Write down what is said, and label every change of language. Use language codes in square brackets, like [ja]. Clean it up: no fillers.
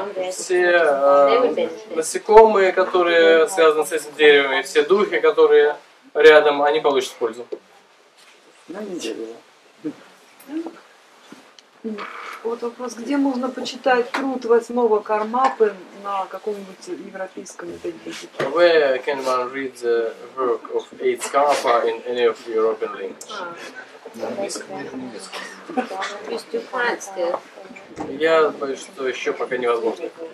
[ru] все насекомые, которые связаны с этим деревом, и все духи, которые рядом, они получат пользу. На неделю. Вот вопрос, где можно почитать труд восьмого кармапы на каком-нибудь европейском языке? [en] Where can one read the work of eighth karma in any of the European languages? [ru] Я боюсь, что еще пока невозможно.